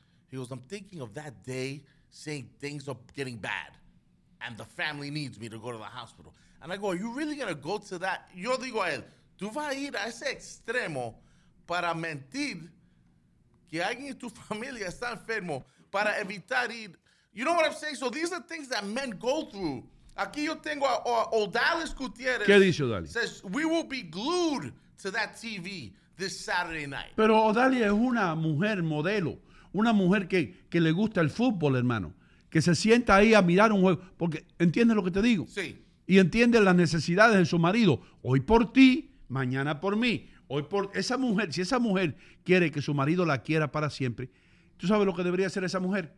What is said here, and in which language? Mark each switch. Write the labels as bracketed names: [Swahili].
[English] He goes, I'm thinking of that day saying things are getting bad and the family needs me to go to the hospital. And I go, are you really going to go to that? [Spanish] Yo digo a él, tú vas a ir a ese extremo para mentir que alguien en tu familia está enfermo para evitar ir. [English] You know what I'm saying? So these are things that men go through. [Spanish] Aquí yo tengo a Odalis Gutierrez. ¿Qué dice Odalis? [English] Says, we will be glued to that TV this Saturday night. [Spanish] Pero Odalis es una mujer modelo. Una mujer que le gusta el fútbol, hermano. Que se sienta ahí a mirar un juego. Porque, ¿entiendes lo que te digo? Sí. Y entiende las necesidades de su marido. Hoy por ti, mañana por mí. Hoy por esa mujer. Si esa mujer quiere que su marido la quiera para siempre, ¿tú sabes lo que debería hacer esa mujer?